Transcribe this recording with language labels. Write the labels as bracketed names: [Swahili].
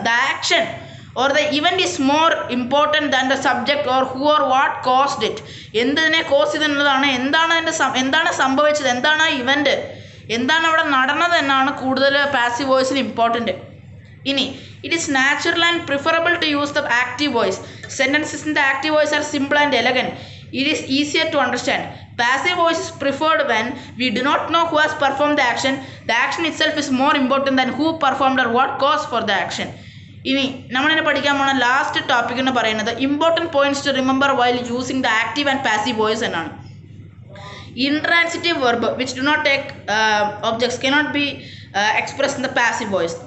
[English] The action or the event is more important than the subject or who or what caused it. [Malayalam] എന്തിനെ cos ചെയ്തു എന്നതാണ്, എന്താണ് അതിൻ്റെ എന്താണ് സംഭവിച്ചത്, എന്താണ് ആ ഇവൻ്റ്, എന്താണ് അവിടെ നടന്നത് എന്നാണ് കൂടുതൽ പാസീവ് വോയിസിൽ ഇമ്പോർട്ടൻറ്റ്. ഇനി [English] It is natural and preferable to use the active voice. Sentences in the active voice are simple and elegant. It is easier to understand. Passive voice is preferred when we do not know who has performed the action. The action itself is more important than who performed or what caused for the action. [Malayalam] ഇനി നമ്മളിനെ പഠിക്കാൻ പോകുന്ന last topic എന്ന് പറയുന്നത് [English] important points to remember while using the active and passive voice [Malayalam] എന്നാണ്. [English] Intransitive verb which do not take objects can not be express in the passive voice.